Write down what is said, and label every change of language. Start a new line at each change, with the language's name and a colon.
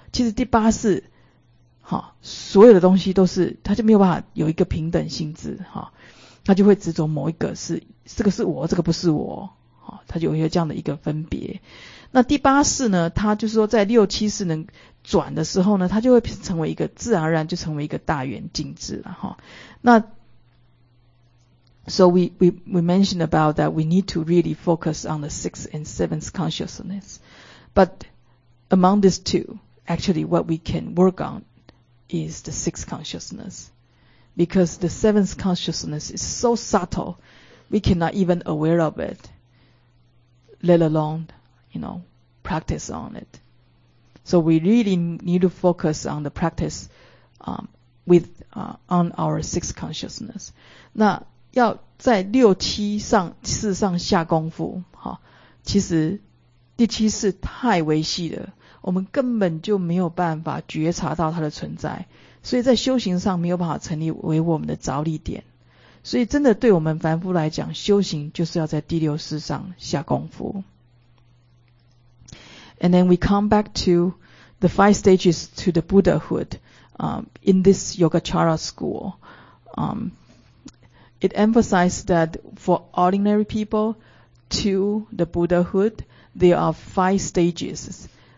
Chinese: 其实第八识好，所有的东西都是它就没有办法有一个平等性质，好，它就会执着某一个是这个是我，这个不是我，好，它就有这样的一个分别。那第八识呢，它就是说在六七识能转的时候呢，它就会成为一个自然而然就成为一个大圆镜智了哈。
English: 那 so we mentioned about that we need to really focus on the sixth and seventh consciousness, but among these two, actually what we can work on is the sixth consciousness, because the seventh consciousness is so subtle, we cannot even aware of it, let alone. You know, practice on it. So we really need to focus on the practice, on our sixth consciousness.
Chinese: 那要在六七上四上下功夫，好，其实第七识太微细了，我们根本就没有办法觉察到它的存在，所以在修行上没有办法成立为我们的着力点。所以真的对我们凡夫来讲，修行就是要在第六识上下功夫。
English: And then we come back to the five stages to the Buddhahood, in this Yogacara school. It emphasized that for ordinary people to the Buddhahood, there are five stages.